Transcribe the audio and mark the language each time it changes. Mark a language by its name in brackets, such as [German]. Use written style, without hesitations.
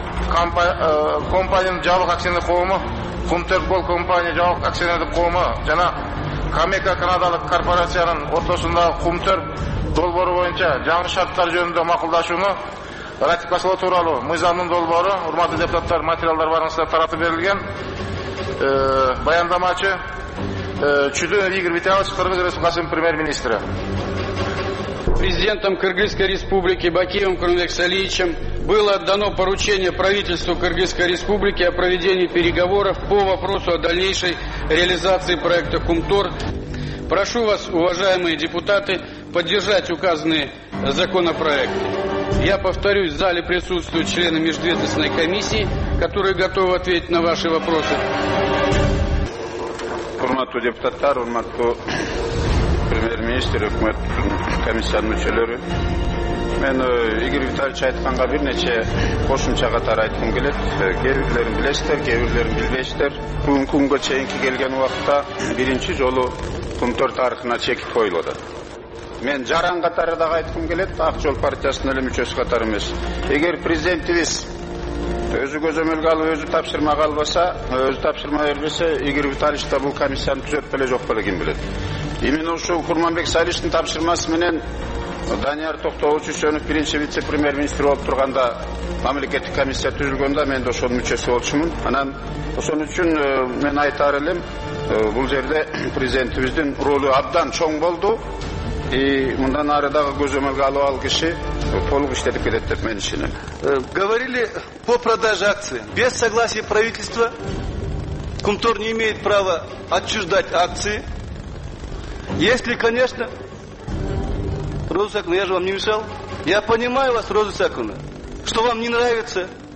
[Kyrgyz] компаниянын жабык акционер коому, Кумтер Голд компания жабык акционердик коому жана Камека канадалык корпорациянын ортосундагы Кумтер долбоору боюнча жаңы шарттар жөнүндө макулдашууну ратификациялоо тууралуу мыйзамдын долбоору, урматтуу депутаттар, материалдар барыңыздарга таратып берилген. Баяндамачы Чудунов Игорь Витальевич, Кыргыз Республикасынын премьер-министри. [Russian] Президентом Кыргызской Республики Бакиевым Курмамбеком Салиевичем было отдано поручение правительству Кыргызской Республики о проведении переговоров по вопросу о дальнейшей реализации проекта «Кумтор». Прошу вас, уважаемые депутаты, поддержать указанный законопроект. Я повторюсь, в зале присутствуют члены межведомственной комиссии, которые готовы ответить на ваши вопросы. [Kyrgyz] Урматтуу депутаттар, урматтуу премьер-министр, өкмөт комиссиянын мүчөлөрү. Мен Игорь Витальевич айтканга бир нече кошумча катары айткым келет. Кээ бирлерин билесиздер, кээ бирлерин билбейсиздер. Бүгүнкү күнгө чейинки келген убакта биринчи жолу Кумтор тарыхына чекит коюлууда. Мен жаран катары дагы айткым келет, Ак жол партиясынын эле мүчөсү катары эмес. Эгер президентибиз өзү көзөмөлгө алып, өзү тапшырмага албаса, өзү тапшырма бербесе, Игорь Витальевич да бул комиссияны түзөт беле, жок беле, ким билет. Именно ушул Курманбек Салиевичтин тапшырмасы менен Данияр Токтогулович Үсөнов биринчи вице премьер министр болуп турганда мамлекеттик комиссия түзүлгөндө мен да ошонун мүчөсү болчумун. Анан ошон үчүн мен айтар элем, бул жерде президентибиздин ролу абдан чоң болду. Мындан ары дагы көзөмөлгө алып ал киши толук иштетип кетет деп мен ишенем. [Russian] Говорили по продаже акции. Без согласия правительства Кумтор не имеет права отчуждать акции. Если, конечно, Роза Исаковна, я же вам не мешал. Я понимаю вас, Роза Исаковна, что вам не нравится.